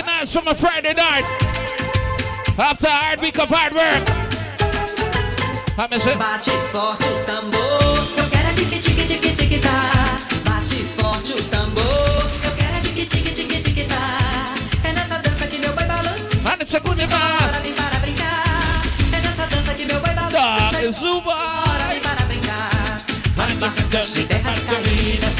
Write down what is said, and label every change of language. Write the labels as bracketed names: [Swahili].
[English] From a Friday night after a hard week of hard work. I miss it. [Portuguese] Bate forte o tambor. Eu quero a tiki tiki tiki tiki ta. Bate forte o tambor. Eu quero a tiki tiki tiki tiki ta. É nessa dança que meu boy balança. Mano, você pode vá. Bora vem para brincar. É nessa dança que meu boy balança. Dá, suba. Bora vem para brincar. Mas marcas e terras caídas.